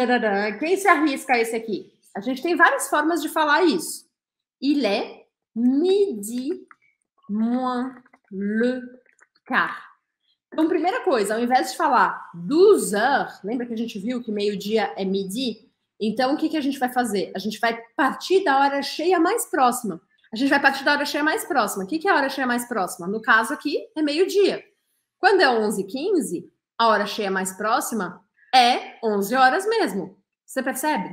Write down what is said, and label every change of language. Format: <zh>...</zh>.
<fr>Il est.</fr> <pt>Quem se arrisca a esse aqui? A gente tem várias formas de falar isso.</pt> <fr>Il est midi moins le quart.</fr> <pt>Então, primeira coisa, ao invés de falar 12 heures, lembra que a gente viu que meio-dia é midi? Então, o que a gente vai fazer? A gente vai partir da hora cheia mais próxima. A gente vai partir da hora cheia mais próxima. O que é a hora cheia mais próxima? No caso aqui, é meio-dia. Quando é 11h15, a hora cheia mais próxima é 11 horas mesmo. Você percebe?</pt>